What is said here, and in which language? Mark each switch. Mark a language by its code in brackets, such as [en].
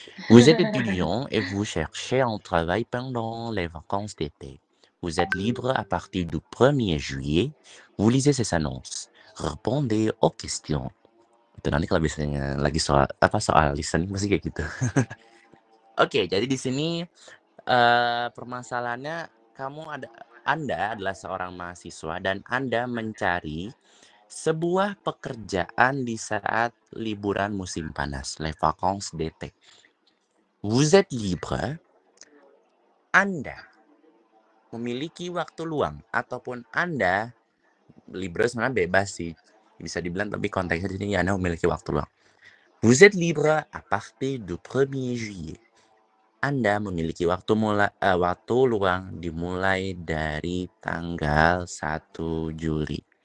[fr] Vous êtes étudiant et vous cherchez un travail pendant les vacances d'été. Vous êtes libre à partir du 1er juillet. Vous lisez ces annonces. Répondez aux questions. [id] Itu nanti kalau biasanya lagi soal apa soal listening pasti kayak gitu. Oke, jadi di sini permasalahannya kamu ada Anda adalah seorang mahasiswa dan Anda mencari sebuah pekerjaan di saat liburan musim panas, [fr] les vacances d'été. Vous êtes libre. [id] Anda memiliki waktu luang ataupun Anda libre sebenarnya bebas sih. Bisa dibilang tapi konteksnya di sini Anda memiliki waktu luang. [fr] Vous êtes libre à partir du 1er juillet. [id] Anda memiliki waktu mulai waktu luang dimulai dari tanggal 1 Juli.